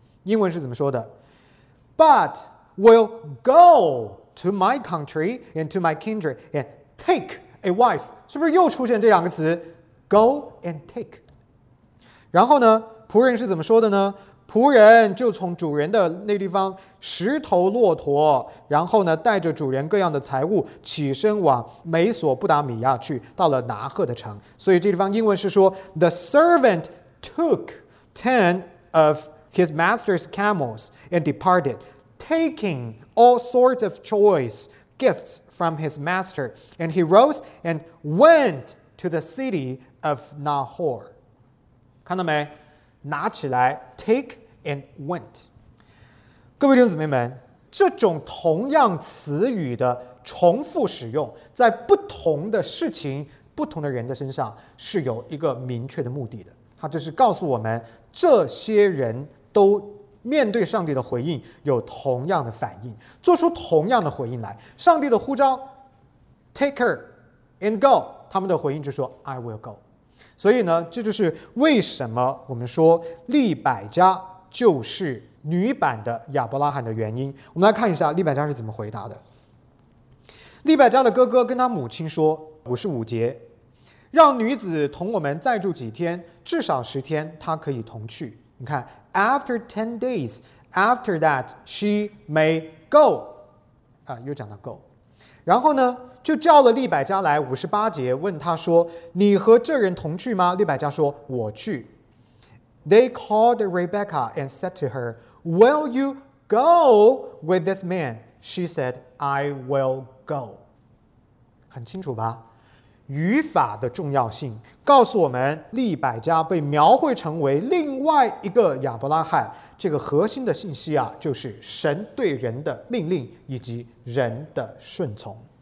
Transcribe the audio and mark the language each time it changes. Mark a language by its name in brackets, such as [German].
[Chinese] 英文是怎么说的？ [English] But will goTo my country and to my kindred and take a wife， [Chinese] 是不是又出现这两个词 [English] go and take？ [Chinese] 然后呢，仆人是怎么说的呢？仆人就从主人的那地方拾头骆驼，然后呢带着主人各样的财物起身往美索不达米亚去，到了拿赫的城。所以这地方英文是说 [English] The servant took 10 of his master's camels and departedtaking all sorts of choice gifts from his master, and he rose and went to the city of Nahor. [Chinese] 看到没？拿起来 [English] take and went. [Chinese] 各位弟兄姊妹们，这种同样词语的重复使用，在不同的事情、不同的人的身上，是有一个明确的目的的。他就是告诉我们，这些人都面对上帝的回应有同样的反应，做出同样的回应来。上帝的呼召 [English] take her and go， [Chinese] 他们的回应就说 [English] I will go。 [Chinese] 所以呢，这就是为什么我们说利百加就是女版的亚伯拉罕的原因。我们来看一下利百加是怎么回答的。利百加的哥哥跟他母亲说，55节，让女子同我们再住几天，至少10天，她可以同去。你看 [English] after 10 days， after that she may go、 [Chinese] 又讲到 [English] go。 [Chinese] 然后呢就叫了利百加来，58节，问他说，你和这人同去吗？利百加说，我去。 [English] They called Rebecca and said to her, will you go with this man? She said, I will go。 [Chinese] 很清楚吧，语法的重要性告诉我们，利百加被描绘成为另外一个亚伯拉罕。这个核心的信息啊，就是神对人的命令以及人的顺从。